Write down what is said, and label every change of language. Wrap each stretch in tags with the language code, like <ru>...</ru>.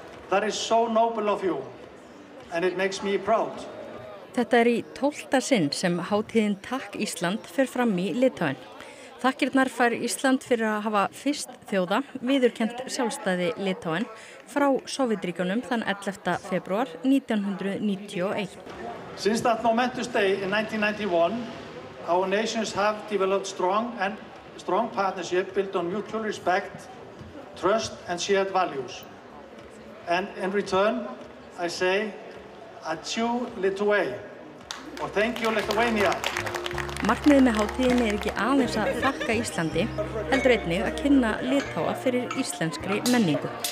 <en>That is so noble of you and it makes me proud.</en> <is>Þetta er í 12. sinn sem hátíðin Takk Ísland fer fram í Litáen. Þakkirnar fær Ísland fyrir að hafa fyrst þjóða viðurkennt sjálfstæði Litáen frá Sovjetríkjunum þann 11. febrúar 1991.</is> <en>Since that momentous day in 1991, our nations have developed strong partnership built on mutual respect, trust and shared values. And in return, I say,</en> <lt>adieu Litway,</lt> <en>or thank you Lithuania.</en> <is>Markmiðið með hátíðinni er ekki aðeins að þakka Íslandi, heldur einnig að kynna Litáa fyrir íslenskri menningu.</is>